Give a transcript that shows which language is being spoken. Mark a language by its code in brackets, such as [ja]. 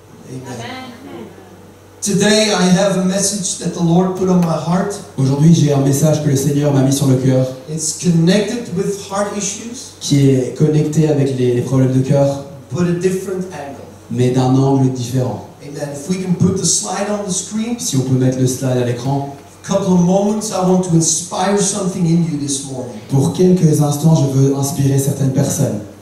[en] Amen. Today I have a message that the Lord put on my heart. [fr] Aujourd'hui, j'ai un message que le Seigneur m'a mis sur le cœur. [en] It's connected with heart issues. [fr] Qui est connecté avec les problèmes de cœur. [en] But a different angle. [fr] Mais d'un angle différent. [en] Amen. If we can put the slide on the screen. [fr] Si on peut mettre le slide à l'écran. [en] A couple of moments, I want to inspire something in you this morning. [fr] Pour quelques instants, je veux inspirer certaines personnes.